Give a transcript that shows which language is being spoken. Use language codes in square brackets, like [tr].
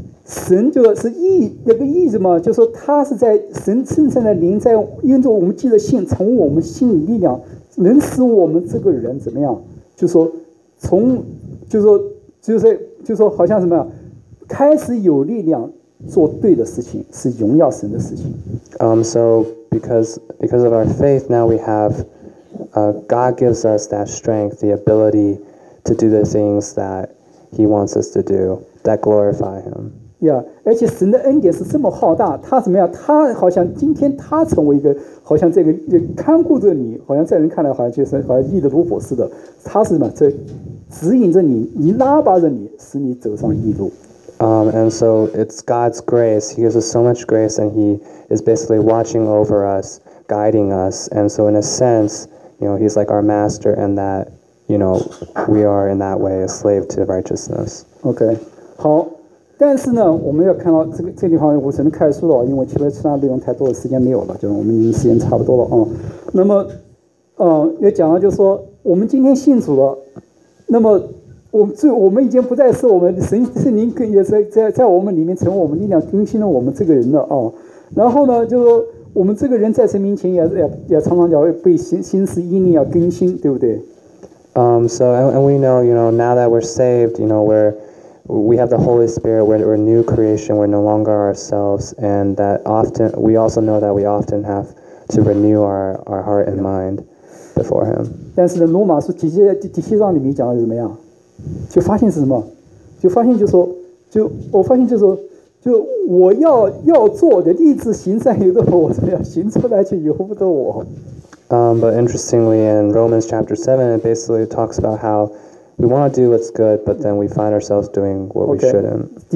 [zh] 神就是义，那个义什么？就是说他是在神圣上的灵在，因着我们借着信，成为我们心里力量，能使我们这个人怎么样？就说从，就说就是就说好像什么呀？开始有力量。做对的事情是荣耀神的事情。 [en] So because of our faith, now we have, God gives us that strength, the ability to do the things that He wants us to do that glorify Him. [zh] Yeah, 而且神的恩典是这么浩大，他怎么样？他好像今天他成为一个，好像这个看顾着你，好像在人看来好像就是好像义的奴仆似的。他是什么？在指引着你，你拉拔着你，使你走上义路。 [en] And so it's God's grace. He gives us so much grace, and He is basically watching over us, guiding us. And so, in a sense, you know, He's like our master, and that you know, we are in that way a slave to righteousness. [zh] Okay, 好，但是呢，我们要看到这个地方，我只能开书了，因为其他内容太多的时间没有了，就我们时间差不多了啊、嗯。那么，也讲了，就是说我们今天信主了，那么我们已经不再是我们圣灵跟也在我们里面成为我们力量，更新了我们这个人了啊、嗯。然后呢，就是我们这个人在神面前也常常要被心思意念要更新，对不对？ [en] So and we know, you know, now that we're saved, you know, we have the Holy Spirit, we're a new creation, we're no longer ourselves, and that often, we also know that we often have to renew our heart and mind before Him. [zh] 但是呢，罗马书第七章里面讲的是怎么样？就发现是什么？就发现就说，就我发现就说，就我要做的立志行善由得我，我怎么样行出来就由不得我。 [en] But interestingly, in Romans chapter 7, it basically talks about how we want to do what's good, but then we find ourselves doing what we shouldn't.